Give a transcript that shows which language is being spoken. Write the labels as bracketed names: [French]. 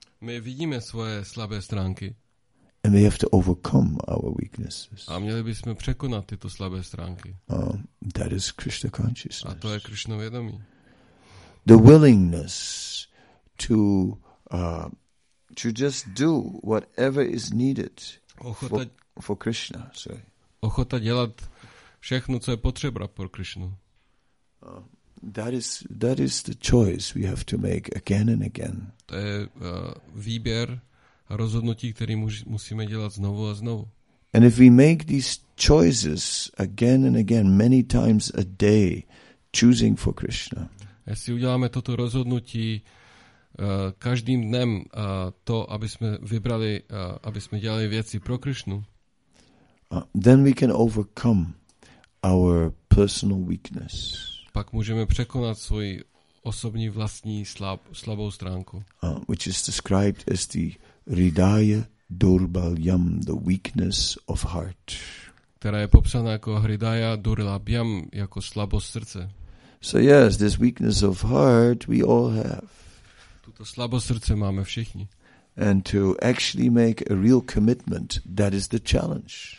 [Czech] My vidíme svoje slabé stránky. [English] And we have to overcome our weaknesses. [Czech] A měli bychom překonat tyto slabé stránky. [English] That is Krishna consciousness. [Czech] A to je Krishna vědomí. [English] The willingness to just do whatever is needed. For Krishna, sorry. [Czech] Ochota dělat všechno, co je potřeba pro Krishnu. [English] That is the choice we have to make again and again. [Czech] To je výběr a rozhodnutí, které musíme dělat znovu a znovu. [English] And if we make these choices again and again, many times a day, choosing for Krishna. [Czech] Jestli uděláme toto rozhodnutí každým dnem to, aby jsme vybrali, aby jsme dělali věci pro Krishnu. [English] Then we can overcome our personal weakness. [Czech] Pak můžeme překonat svoji osobní vlastní slabou stránku. [English] Which is described as the hridaya durbalyam, the weakness of heart. [Czech] Která je popsána jako hridaya durbalyam, jako slabost srdce. [English] So yes, this weakness of heart we all have. [Czech] Tuto slabost srdce máme všichni. [English] And to actually make a real commitment, that is the challenge.